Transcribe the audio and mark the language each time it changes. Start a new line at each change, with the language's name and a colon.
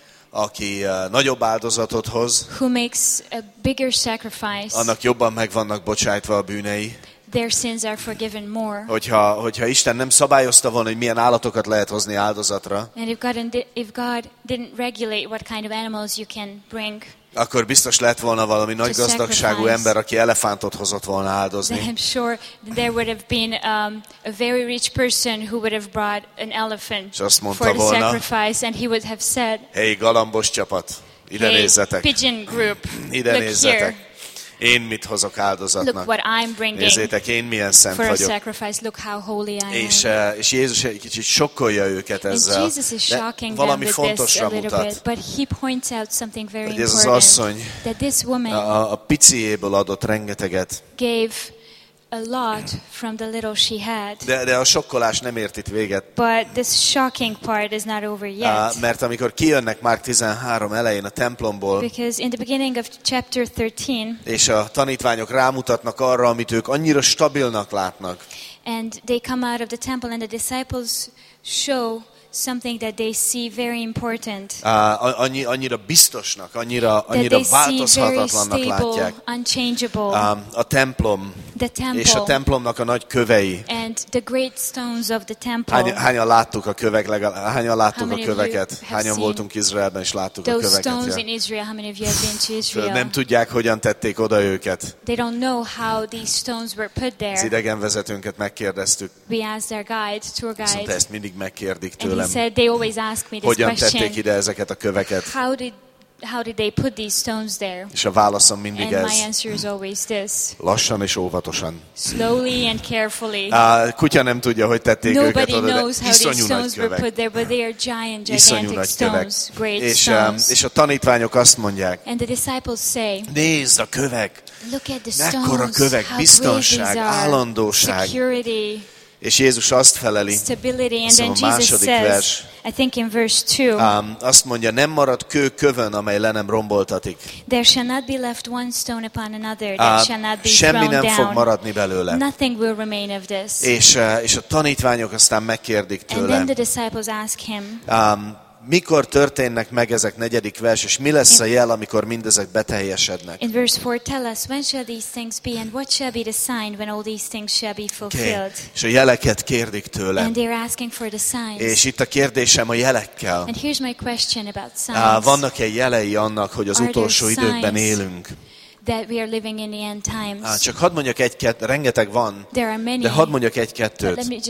Hungarian: Aki nagyobb áldozatot hoz,
English: who makes a bigger sacrifice,
Hungarian: annak jobban meg vannak bocsájtva a bűnei.
English: Their sins are forgiven more.
Hungarian: Hogyha Isten nem szabályozta volna, hogy milyen állatokat lehet hozni áldozatra,
English: and if God didn't regulate what kind of animals you can bring,
Hungarian: akkor biztos lett volna valami nagy gazdagságú ember, aki elefántot hozott volna áldozni.
English: I'm sure there would have been a very rich person who would have brought an elephant for the
Hungarian: volna,
English: sacrifice, and he would have said, hey,
Hungarian: galambos csapat, ide
English: hey,
Hungarian: nézzetek.
English: Pigeon group,
Hungarian: ide
English: look
Hungarian: nézzetek.
English: Here.
Hungarian: Én mit hozok áldozatnak. Nézzétek, én milyen szent vagyok.
English: Look how holy I am.
Hungarian: És Jézus egy kicsit sokkolja őket ezzel. Valami fontosra mutat. Hogy ez az asszony a piciéből adott rengeteget.
English: A lot from the little she had.
Hungarian: De a sokkolás nem ért itt véget.
English: But this shocking part is not over yet.
Hungarian: Mert amikor kijönnek Márk 13 elején a templomból.
English: Because in the beginning of chapter 13.
Hungarian: És a tanítványok rámutatnak arra, amit ők annyira stabilnak látnak.
English: And they come out of the temple and the disciples show something that they see very important.
Hungarian: Annyira biztosnak, annyira változhatatlannak látják.
English: Unchangeable.
Hungarian: A templom.
English: The temple.
Hungarian: És a templomnak a nagy kövei.
English: And the great stones of the temple.
Hungarian: Hányan láttuk a kövek, hányan láttuk a köveket? Hányan voltunk Izraelben és láttuk
English: those
Hungarian: a köveket?
English: Those stones in Israel, how many of you have been to Israel?
Hungarian: Nem tudják, hogyan tették oda őket.
English: They don't know how these stones were put there.
Hungarian: Az idegenvezetőnket megkérdeztük.
English: We asked their guide, tour guide.
Hungarian: Viszont ezt mindig megkérdik tőlem.
English: And he said they always ask me this
Hungarian: hogyan
English: question.
Hungarian: Tették ide ezeket a köveket?
English: How did they put these stones there?
Hungarian: És a válaszom mindig
English: and
Hungarian: ez.
English: My answer is always this.
Hungarian: Lassan és óvatosan.
English: Slowly and carefully.
Hungarian: Kutya nem tudja, hogy tették
English: nobody
Hungarian: őket oda,
English: knows
Hungarian: de iszonyú
English: how these
Hungarian: nagy
English: stones
Hungarian: kövek.
English: Were put there, but they are giant, gigantic
Hungarian: nagy
English: stones,
Hungarian: kövek.
English: Great stones.
Hungarian: És a tanítványok azt mondják.
English: And the disciples say.
Hungarian: Nézd a kövek.
English: Look at the stones.
Hungarian: Mekkora kövek, biztonság, állandóság.
English: Security.
Hungarian: És Jézus azt feleli,
English: stability. And then
Hungarian: második
English: Jesus
Hungarian: vers,
English: says, I think in verse 2.
Hungarian: Azt mondja, nem marad kő kövön, amely le nem romboltatik.
English: There shall not be left one stone upon another. There shall not be thrown down.
Hungarian: Semmi nem fog maradni belőle.
English: Nothing will remain of this.
Hungarian: És a tanítványok aztán megkérdik tőle.
English: And then the disciples ask him.
Hungarian: Mikor történnek meg ezek negyedik vers, és mi lesz a jel, amikor mindezek beteljesednek?
English: In verse 4, tell us, when shall these things be, and what shall be the sign, when all these things shall be fulfilled? Okay.
Hungarian: És a jeleket kérdik tőle.
English: And they're asking for the signs.
Hungarian: És itt a kérdésem a jelekkel.
English: And here's my question about signs.
Hungarian: Vannak-e jelei annak, hogy az utolsó időkben élünk?
English: That we are living in the end times.
Hungarian: Csak hadd mondjak egy-kettőt, rengeteg van, de hadd mondjak egy-kettőt.